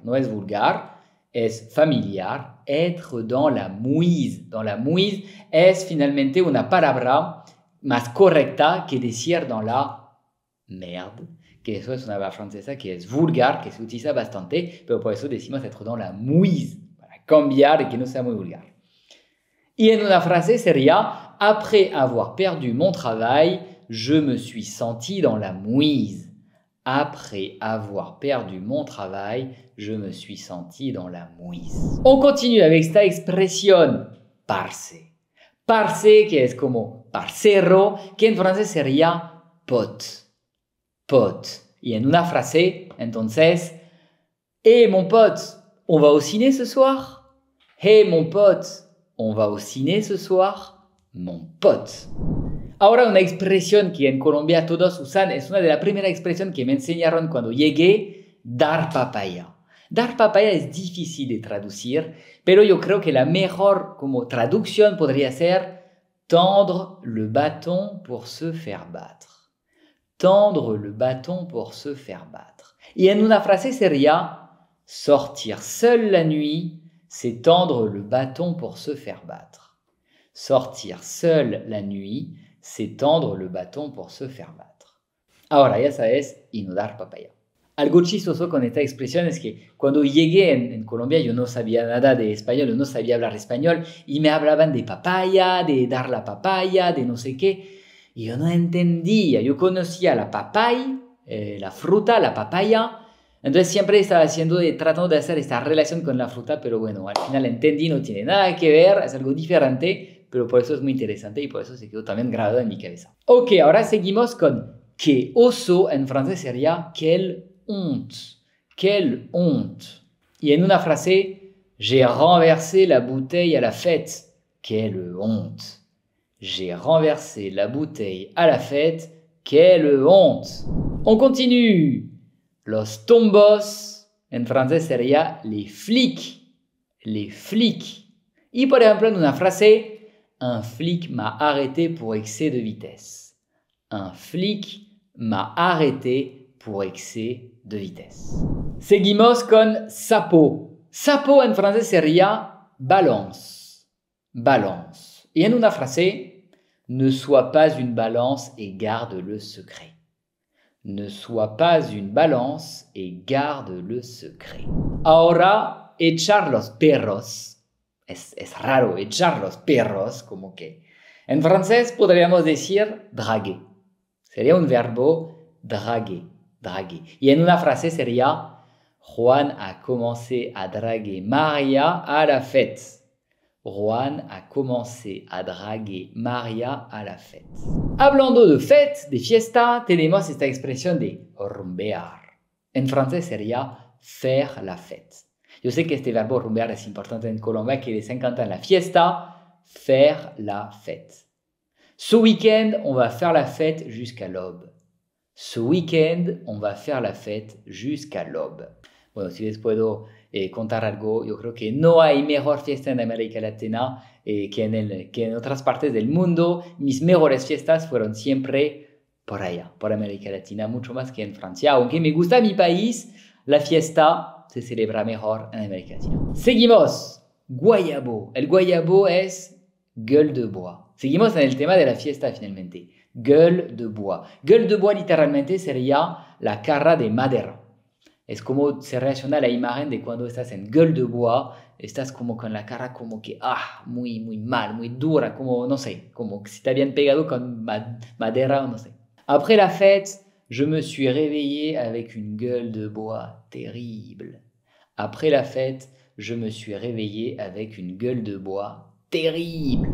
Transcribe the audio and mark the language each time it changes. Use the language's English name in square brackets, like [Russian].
[Spanish] No es vulgar, es familiar. [French] Être dans la mouise. Dans la mouise [Spanish] es finalmente una palabra más correcta que decir [French] dans la merde. [Spanish] Que eso es una palabra francesa que es vulgar, que se utiliza bastante, pero por eso decimos [French] être dans la mouise, [Spanish] para cambiar y que no sea muy vulgar. Y en una frase sería, [French] après avoir perdu mon travail, je me suis senti dans la mouise. Après avoir perdu mon travail, je me suis senti dans la mouise. On continue avec cette expression, parce. [Spanish] Parce, que es como parcero, que en francés sería pote. [French] Pote. [Spanish] Y en una frase, entonces, [French] hey mon pote, on va au ciné ce soir? Hey mon pote, on va au ciné ce soir? Mon pote. [Spanish] Ahora una expresión que en Colombia todos usan, es una de las primeras expresiones que me enseñaron cuando llegué, dar papaya. Dar papaya es difícil de traducir, pero yo creo que la mejor como traducción podría ser [French] tendre le bâton pour se faire battre. Tendre le bâton pour se faire battre. [Spanish] Y en una frase sería [French] sortir seul la nuit, c'est tendre le bâton pour se faire battre. Sortir seul la nuit, c'est tendre le bâton pour se faire battre. [Spanish] Ahora, ya sabes, y no dar papaya. Algo chistoso con esta expresión es que cuando llegué en Colombia, yo no sabía nada de español, yo no sabía hablar español, y me hablaban de papaya, de dar la papaya, de no sé qué, y yo no entendía. Yo conocía la papaya, la fruta, la papaya. Entonces siempre estaba haciendo, tratando de hacer esta relación con la fruta, pero bueno, al final entendí, no tiene nada que ver, es algo diferente, pero por eso es muy interesante y por eso se quedó también grabado en mi cabeza. Ok, ahora seguimos con qué oso, en francés sería [French] quelle honte, quelle honte. [Spanish] Y en una frase, [French] j'ai renversé la bouteille à la fête, quelle honte. J'ai renversé la bouteille à la fête, quelle honte. On continue. [Spanish] Los tombos, en francés sería [French] les flics, les flics. [Spanish] Y por ejemplo en una frase, [French] un flic m'a arrêté pour excès de vitesse. Un flic m'a arrêté pour excès de vitesse. [Spanish] Seguimos con sapo. Sapo en francés sería balance, balance. Y en una frase, [French] ne sois pas une balance et garde le secret. Ne sois pas une balance et garde le secret. [Spanish] Ahora, echar los perros. Es raro, echar los perros, como que. En francés podríamos decir draguer. Sería un verbo draguer, draguer. Y en una frase sería, [French] Juan a commencé a draguer Maria à la fête. Juan a commencé a draguer Maria à la fête. [Spanish] Hablando de fête, de fiesta, tenemos esta expresión de rumbear. En francés sería [French] faire la fête. [Spanish] Yo sé que este verbo rumbear es importante en Colombia, que les encanta la fiesta, faire la fête. [French] Ce weekend, on va faire la fête jusqu'à l'aube. Ce weekend, on va faire la fête jusqu'à l'aube. [Spanish] Bueno, si les puedo contar algo, yo creo que no hay mejor fiesta en América Latina que en otras partes del mundo. Mis mejores fiestas fueron siempre por allá, por América Latina, mucho más que en Francia. Aunque me gusta mi país, la fiesta se celebra mejor en América Latina. Seguimos. Guayabo. El guayabo es [French] gueule de bois. [Spanish] Seguimos en el tema de la fiesta finalmente. [French] gueule de bois. Gueule de bois, [Spanish] literalmente, sería la cara de madera. Es como se relaciona la imagen de cuando estás en [French] gueule de bois, [Spanish] estás como con la cara como que, ah, muy, muy mal, muy dura, como, no sé, como si te habían pegado con madera o no sé. [French] Après la fête, je me suis réveillé avec une gueule de bois terrible. Après la fête, je me suis réveillé avec une gueule de bois terrible.